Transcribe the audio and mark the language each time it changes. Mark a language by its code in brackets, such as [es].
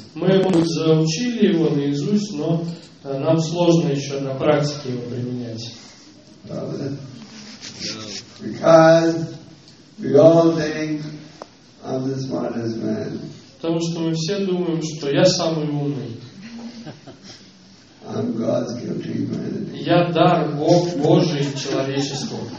[ru] Мы заучили его наизусть, но нам сложно еще на практике его применять. [en] Because we all think I'm the smartest man. [ru] Потому что мы все думаем, что я самый умный. [en] I'm God's gift to humanity. [ru] Я дар Бог Божий человечеству.